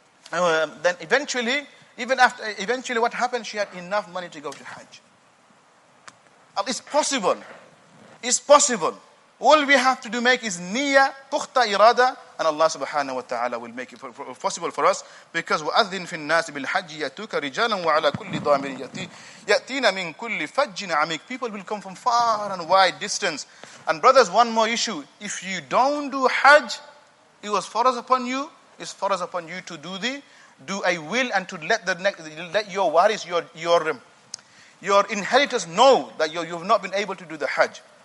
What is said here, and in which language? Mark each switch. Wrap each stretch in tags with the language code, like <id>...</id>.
<en>Then eventually what happened, she had enough money to go to Hajj. It's possible. All we have to do make is niyyah,</en> <ur>pukhta irada,</ur> <en>and Allah subhanahu wa ta'ala will make it possible for us. Because</en> <ar>وَأَذِّنْ فِي النَّاسِ بِالْحَجِّ يَأْتُوكَ رِجَالًا وَعَلَى كُلِّ ضَامِرٍ يَأْتِينَ مِنْ كُلِّ فَجٍّ عَمِيقٍ.</ar> <en>People will come from far and wide distance. And brothers, one more issue. If you don't do Hajj, it was farz upon you. It's farz upon you to do a will and to let your waris, your inheritors know that you've not been able to do the Hajj.</en>